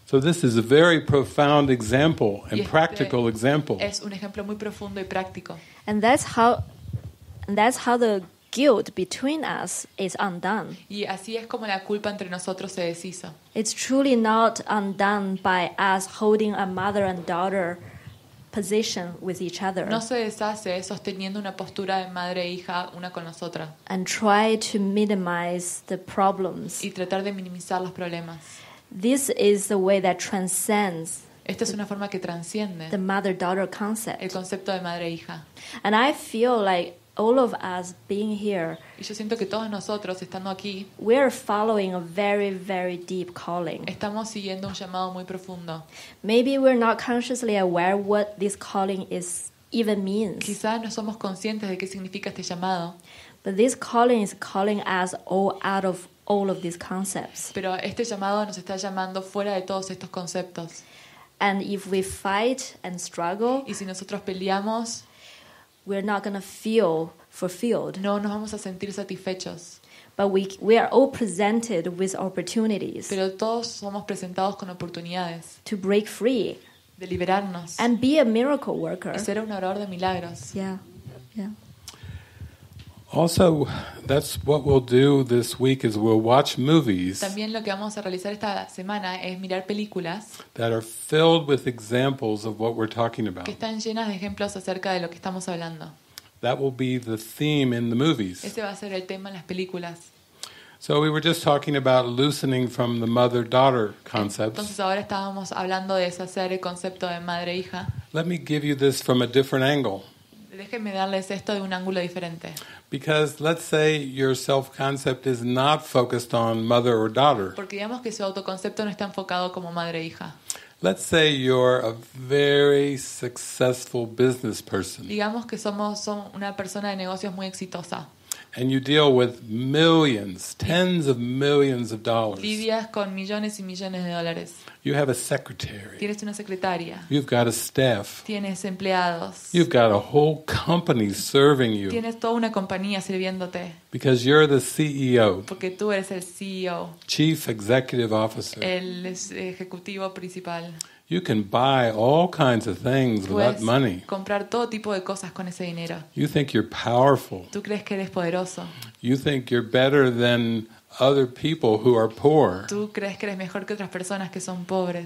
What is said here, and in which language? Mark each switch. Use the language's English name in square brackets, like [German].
[English] So this is a very profound example and [Spanish] este [English] practical example. [Spanish] Es un ejemplo muy profundo y práctico. [English] And that's how the guilt between us is undone. [Spanish] Y así es como la culpa entre nosotros se deshizo. [English] It's truly not undone by us holding a mother and daughter position with each other. [Spanish] No se deshace sosteniendo una postura de madre e hija una con la otra. [English] And try to minimize the problems. [Spanish] Y tratar de minimizar los problemas. [English] This is the way that transcends. [Spanish] Esta es una forma que transciende. [English] The mother-daughter concept. [Spanish] El concepto de madre e hija. [English] And I feel like all of us being here. [Spanish] Y yo siento que todos nosotros estando aquí. [English] We are following a very, very deep calling. [Spanish] Estamos siguiendo un llamado muy profundo. [English] Maybe we're not consciously aware what this calling is even means. [Spanish] Quizás no somos conscientes de qué significa este llamado. [English] But this calling is calling us all out of all of these concepts. [Spanish] Pero este llamado nos está llamando fuera de todos estos conceptos. [English] And if we fight and struggle. [Spanish] Y si nosotros peleamos. [English] We're not going to feel fulfilled. [Spanish] No nos vamos a sentir satisfechos. [English] But we are all presented with opportunities. [Spanish] Pero todos somos presentados con oportunidades. [English] To break free. [Spanish] De liberarnos. [English] And be a miracle worker. [Spanish] Y ser un orador de milagros. [English] Yeah. Yeah. Also, that's what we'll do this week is we'll watch movies. [Spanish] También lo que vamos a realizar esta semana es mirar películas. [English] That are filled with examples of what we're talking about. [Spanish] Que están llenas de ejemplos acerca de lo que estamos hablando. [English] That will be the theme in the movies. [Spanish] Ese va a ser el tema en las películas. [English] So we were just talking about loosening from the mother-daughter concept. [Spanish] Entonces ahora estábamos hablando de deshacer el concepto de madre-hija. [English] Let me give you this from a different angle. [Spanish] Déjenme darles esto de un ángulo diferente. [English] Because let's say your self-concept is not focused on mother or daughter. [Spanish] Porque digamos que su autoconcepto no está enfocado como madre-hija. [English] Let's say you're a very successful business person. [Spanish] Digamos que son una persona de negocios muy exitosa. [English] And you deal with millions, tens of millions of dollars. [Spanish] Lidias con millones y millones de dólares. [English] You have a secretary. [Spanish] Tienes una secretaria. [English] You've got a staff. [Spanish] Tienes empleados. [English] You've got a whole company serving you. [Spanish] Tienes toda una compañía sirviéndote. [English] Because you're the CEO. [Spanish] Porque tú eres el CEO. [English] Chief Executive Officer. [Spanish] El ejecutivo principal. [English] You can buy all kinds of things with that money. [Spanish] Puedes comprar todo tipo de cosas con ese dinero. [English] You think you're powerful. [Spanish] Tú crees que eres poderoso. [English] You think you're better than other people who are poor. [Spanish] Tú crees que eres mejor que otras personas que son pobres.